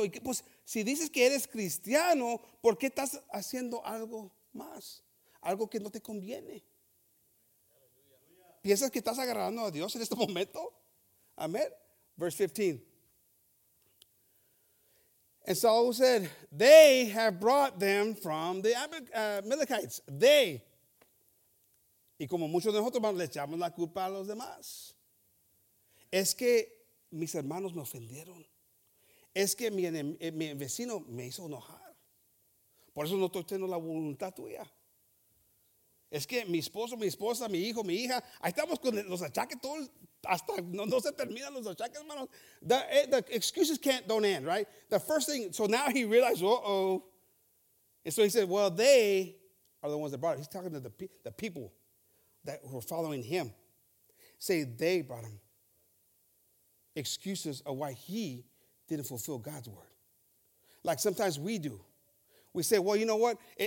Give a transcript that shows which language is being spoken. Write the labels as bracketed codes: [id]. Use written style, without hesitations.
[es] Y pues, si dices que eres cristiano, ¿por qué estás haciendo algo más? Algo que no te conviene. ¿Piensas que estás agradando a Dios en este momento? Amén. [en] Verse 15. And Saul said, they have brought them from the Amalekites. They. [es] Y como muchos de nosotros, le echamos la culpa a los demás. Es que mis hermanos me ofendieron. Es que mi vecino me hizo enojar. Por eso no estoy teniendo la voluntad tuya. Es que mi esposo, mi esposa, mi hijo, mi hija, ahí estamos con los achaques todos, hasta no se terminan los achaques, hermanos. [en] The excuses don't end, right? The first thing, so now he realized, uh-oh. And so he said, well, they are the ones that brought it. He's talking to the people that were following him. Say they brought him excuses of why he didn't fulfill God's word. Like sometimes we do. We say, well, you know what?